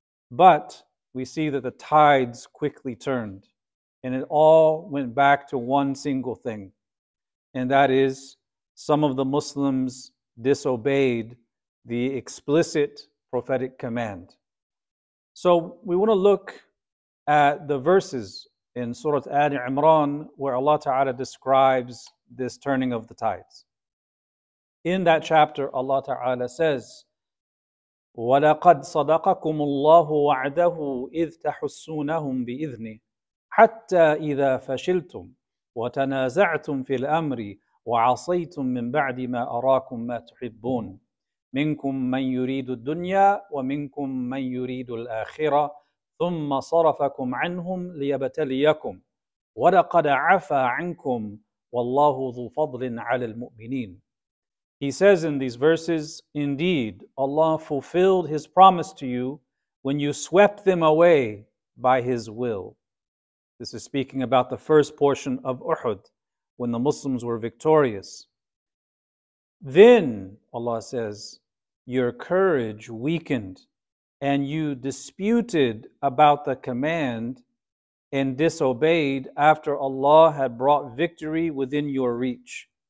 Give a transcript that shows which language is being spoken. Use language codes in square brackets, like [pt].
[en] But we see that the tides quickly turned, and it all went back to one single thing, and that is some of the Muslims disobeyed the explicit prophetic command. So we want to look at the verses in Surah Ali Imran where Allah Ta'ala describes this turning of the tides. In that chapter, Allah Ta'ala says, [ar] وَلَقَدْ صَدَقَكُمُ اللَّهُ وَعْدَهُ إِذْ تَحُسُّونَهُمْ بِإِذْنِهِ حَتَّى إِذَا فَشِلْتُمْ وَتَنَازَعْتُمْ فِي الْأَمْرِ وَعَصَيْتُمْ مِنْ بَعْدِ مَا أَرَاكُمْ مَا تُحِبُّونَ مِنْكُمْ مَنْ يُرِيدُ الدُّنْيَا وَمِنْكُمْ مَنْ يُرِيدُ الْآخِرَةِ ثُمَّ صَرَفَكُمْ عَنْهُمْ لِيَبْتَلِيَكُمْ وَلَقَدْ عَفَى عَنْكُمْ وَاللَّهُ ذُو فَضْلٍ عَلَى الْمُؤْمِنِينَ. [en] He says in these verses, indeed, Allah fulfilled His promise to you when you swept them away by His will. This is speaking about the first portion of Uhud, when the Muslims were victorious. Then, Allah says, your courage weakened and you disputed about the command and disobeyed after Allah had brought victory within your reach.